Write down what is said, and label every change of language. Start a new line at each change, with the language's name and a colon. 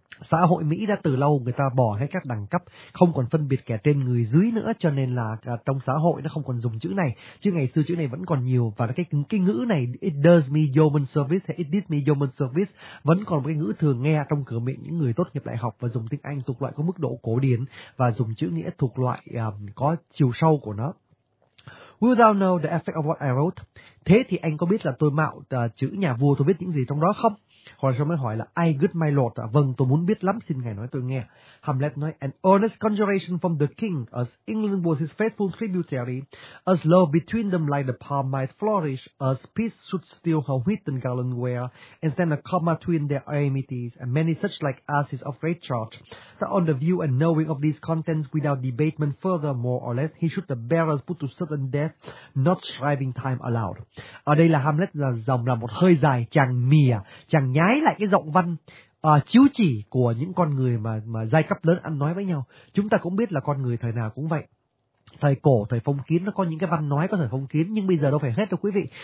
Vietnamese: Xã hội Mỹ đã từ lâu người ta bỏ hết các đẳng cấp, không còn phân biệt kẻ trên người dưới nữa, cho nên là trong xã hội nó không còn dùng chữ này. Chứ ngày xưa chữ này vẫn còn nhiều, và cái ngữ này
English: it does me yeoman service
Vietnamese: hay
English: it did me yeoman service
Vietnamese: vẫn còn một cái ngữ thường nghe trong cửa miệng những người tốt nghiệp đại học và dùng tiếng Anh thuộc loại có mức độ cổ điển và dùng chữ nghĩa thuộc loại có chiều sâu của nó.
English: Will thou know the effect of what I wrote?
Vietnamese: Thế thì anh có biết là tôi mạo chữ nhà vua tôi viết những gì trong đó không? Hoặc là sao mới hỏi là
English: I good my lord,
Vietnamese: vâng tôi muốn biết lắm, xin ngài nói tôi nghe. Hamlet nói
English: an earnest conjuration from the king as England was his faithful tributary, as love between them like the palm might flourish, as peace should steal her wheaten garland wear, and stand a comma between their amities, and many such like asses of great charge, that on the view and knowing of these contents without debatement further more or less, he should the bearers put to certain death, not shriving time aloud.
Vietnamese: Ở đây là Hamlet là dòng là một hơi dài, chàng mỉa, chàng nhái lại cái giọng văn chiếu chỉ của những con người mà giai cấp lớn ăn nói với nhau. Chúng ta cũng biết là con người thời nào cũng vậy. Thời cổ, thời phong kiến nó có những cái văn nói có thời phong kiến, nhưng bây giờ đâu phải hết đâu quý vị.